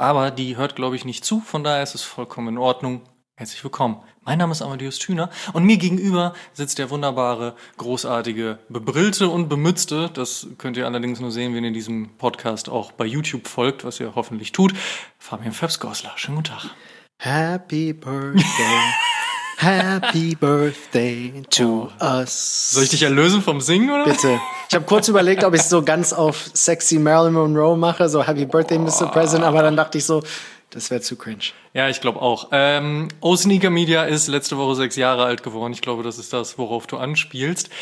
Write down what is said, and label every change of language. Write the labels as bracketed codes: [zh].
[de] Aber die hört, glaube ich, nicht zu, von daher ist es vollkommen in Ordnung. Herzlich willkommen. Mein Name ist Amadeus Thüner und mir gegenüber sitzt der wunderbare, großartige, bebrillte und bemützte, das könnt ihr allerdings nur sehen, wenn ihr diesem Podcast auch bei YouTube folgt, was ihr hoffentlich tut, Fabian Phelps-Goßler. Schönen guten Tag. [en] Happy Birthday, happy Birthday to us. [de] Soll ich dich erlösen vom Singen, oder? Bitte. Ich habe kurz überlegt, ob ich es so ganz auf sexy Marilyn Monroe mache, so [en] Happy Birthday, Mr. President, [de] aber dann dachte ich so, das wäre zu cringe. Ja, ich glaube auch. O-Sneaker Media ist letzte Woche 6 Jahre alt geworden. Ich glaube, das ist das, worauf du anspielst.